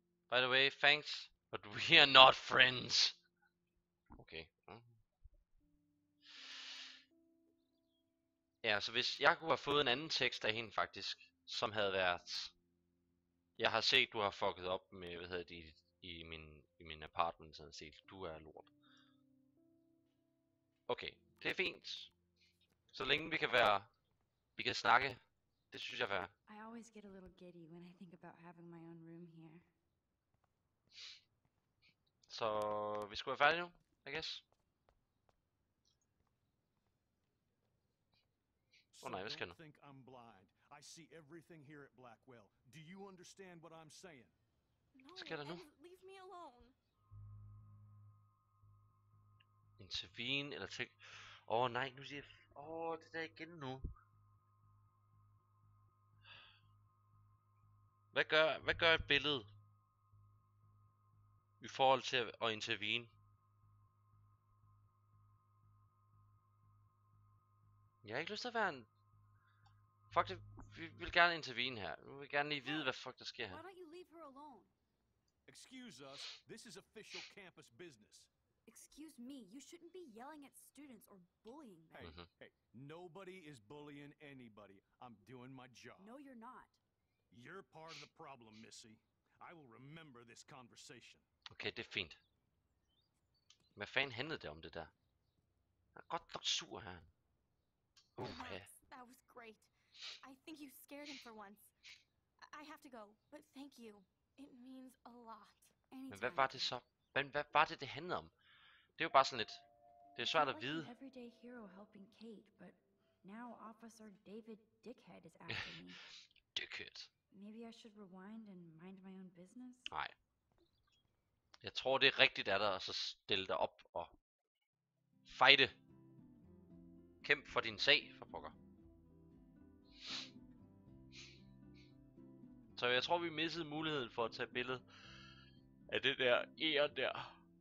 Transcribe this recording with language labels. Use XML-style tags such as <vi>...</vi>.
<en>By the way, thanks, but we are not friends. Okay.</en> <da>Ja, så hvis jeg kunne have fået en anden tekst af hende faktisk, som havde været... Jeg har set, du har fucket op med, hvad hedder det, i min apartment, sådan set. Du er lort. Okay, det er fint. Så længe vi kan være... Vi kan snakke. Det synes jeg er fair.</da> <en>I always get a little giddy when I think about having my own room here.</en> <da>Så vi skulle være færdige nu,</da> <en>I guess.</en> <da>Oh, nej, hvad skal jeg nu?</da> <en>Think I'm blind. I see everything here at Blackwell. Do you understand what I'm saying? No,</en> <da>skal der nu?</da> <en>Leave me alone.</en> <da>Intervene eller tjek. Åh, oh, nej, nu siger jeg... Åh, oh, det der igen nu. Hvad gør et billede? I forhold til at intervene. Jeg har ikke lyst til at være en... Fuck det, vi vil gerne intervene her. Vi vil gerne lige vide, hvad fuck der sker her.</da> <en>Why don't you leave her alone? Excuse us, this is official campus business. Excuse me, you shouldn't be yelling at students or bullying them. Hey, hey, nobody is bullying anybody. I'm doing my job. No, you're not. You're part of the problem, Missy. I will remember this conversation.</en> <da>Okay, det er fint. Hvad fanden handlede det om det der? Jeg er godt nok sur her. Uh, ja.</da> <en>That was great. I think you scared him for once. I have to go, but thank you. It means a lot. Anytime.</en> <da>Men hvad var det så? Men hvad var det, det handlede om? Det er jo bare sådan lidt... Det er svært at vide.</da> <en>Everyday hero helping Kate, but now Officer David Dickhead is after me. Dickhead. Maybe I should rewind and mind my own business?</en> <da>Nej. Jeg tror, det er rigtigt af dig at så stille dig op og... fighte. Kæmp for din sag, for pokker. Så jeg tror, vi missede muligheden for at tage billedet af det der ære der.</da>